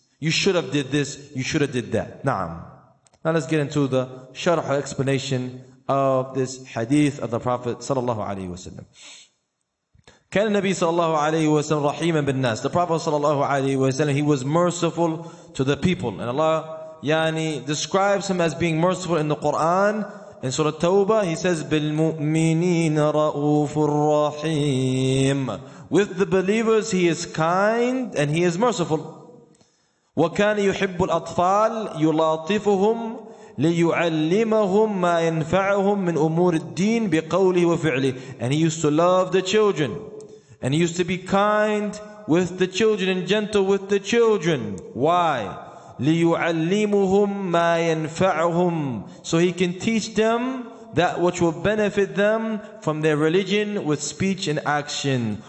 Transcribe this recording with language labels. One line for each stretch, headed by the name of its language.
English: You should have did this, you should have did that.
Arabic: نعم.
English: Now let's get into the sharh explanation of this hadith of the Prophet صلى الله عليه وسلم.
Arabic: كان النبي صلى الله عليه وسلم رحيما بالناس.
English: The Prophet صلى الله عليه وسلم, he was merciful to the people. And Allah يعني describes him as being merciful in the Quran. In Surah Tawbah, he says,
Arabic: بالمؤمنين رؤوف الرحيم.
English: With the believers, he is kind and he is merciful.
Arabic: وكان يحب الأطفال يلاطفهم ليعلمهم ما ينفعهم من أمور الدين بقوله وفعله.
English: And he used to love the children. And he used to be kind with the children and gentle with the children. Why?
Arabic: لِيُعَلِّمُهُمْ مَا يَنْفَعُهُمْ.
English: So he can teach them that which will benefit them from their religion with speech and action.